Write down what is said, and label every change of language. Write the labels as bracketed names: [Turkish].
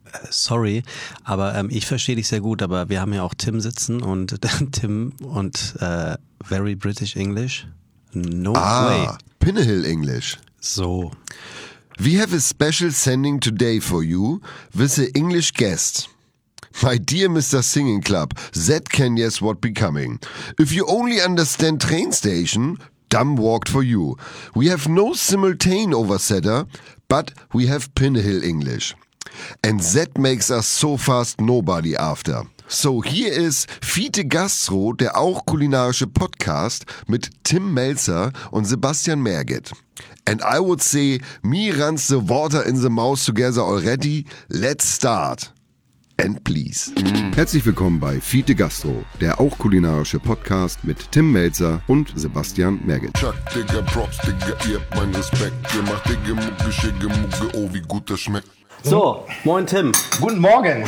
[German] Sorry, aber ich verstehe dich sehr gut, aber wir haben ja auch Tim sitzen und Tim und [English] very British English. No way. Pinnahill English. So. We have a special sending today for you with an English guest. My dear Mr. Singing Club, that can guess what be coming. If you only understand train station, dumb walked for you. We have no simultane oversetter, but we have Pinnahill English. And that makes us so fast nobody after. So here is [German] Fiete Gastro, der auch kulinarische Podcast mit Tim Melzer und Sebastian Merget. [English] And I would say, me runs the water in the mouth together already. Let's start. And please. [German] Herzlich willkommen bei Fiete Gastro, der auch kulinarische Podcast mit Tim Melzer und Sebastian Merget. Chuck, Digga, Props, Digga, ihr habt meinen Respekt. Ihr macht dicke Mucke, schicke Mucke, oh wie gut das schmeckt. So, moin Tim. Guten Morgen.